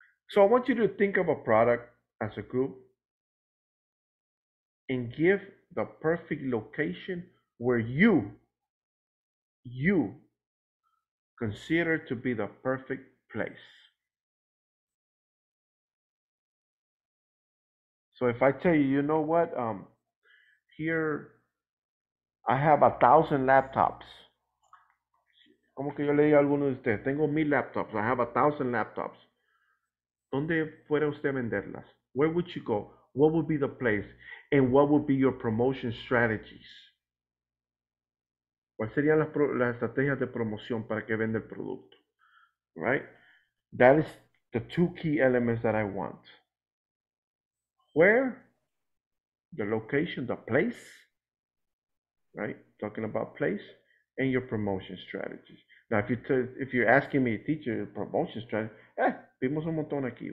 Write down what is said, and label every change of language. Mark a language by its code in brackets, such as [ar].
[en] So I want you to think of a product as a group and give the perfect location where you consider to be the perfect place. So if I tell you, you know what, here I have 1,000 laptops. [es] ¿Cómo que yo le digo a alguno de ustedes? Tengo 1,000 laptops. [en] I have 1,000 laptops. [es] ¿Dónde fuera usted venderlas? [en] Where would you go? What would be the place? And what would be your promotion strategies? [es] ¿Cuáles serían las estrategias de promoción para que venda el producto? [en] Right? That is the two key elements that I want. Where? The location, the place. Right? Talking about place and your promotion strategies. Now, if you're asking me, teacher, promotion strategy, [es] vimos un montón aquí.